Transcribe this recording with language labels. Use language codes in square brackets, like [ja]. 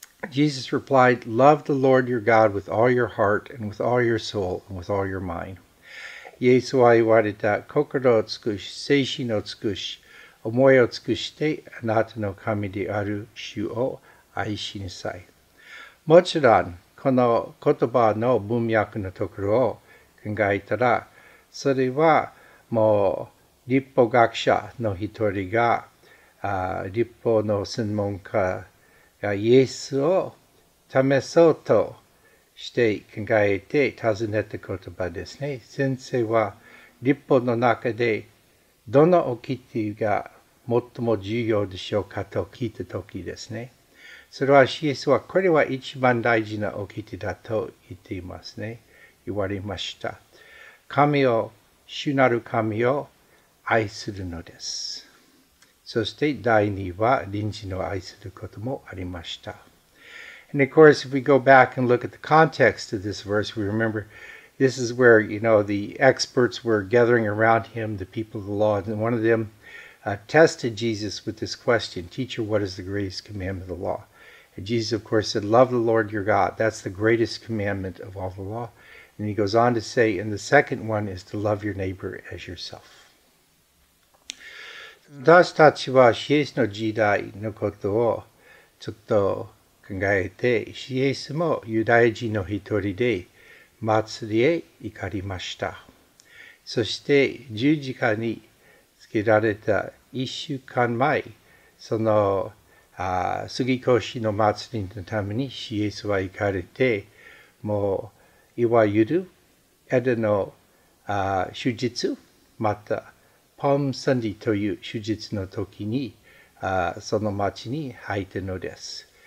[en] Jesus replied, Love the Lord your God with all your heart and with all your soul and with all your mind. [ja] イエスは言われた、心を尽くし、精神を尽くし、思いを尽くして、あなたの神である主を愛しなさい。もちろん、この言葉の文脈のところを考えたら、それはもう立法学者の一人が、立法の専門家がイエスを試そうとして考えて尋ねた言葉ですね。先生は立法の中でどの掟が最も重要でしょうかと聞いた時ですね。それはイエスはこれは一番大事な掟だと言っていますね。言われました。神を、主なる神を愛するのです。そして第二は隣人を愛することもありました。 [en] And of course, if we go back and look at the context of this verse, we remember this is where, you know, the experts were gathering around him, the people of the law, and one of them, tested Jesus with this question, Teacher, what is the greatest commandment of the law? And Jesus, of course, said, Love the Lord your God. That's the greatest commandment of all the law. And he goes on to say, and the second one is to love your neighbor as yourself. [ja] 私たちはイエスの時代のことをちょっと考えて、イエスもユダヤ人の一人で祭りへ行かれました。そして十字架に受けられた一週間前、その杉越の祭りのためにイエスは行かれて、もういわゆるエデの主日、またパームサンディという主日の時にその町に入ったのです。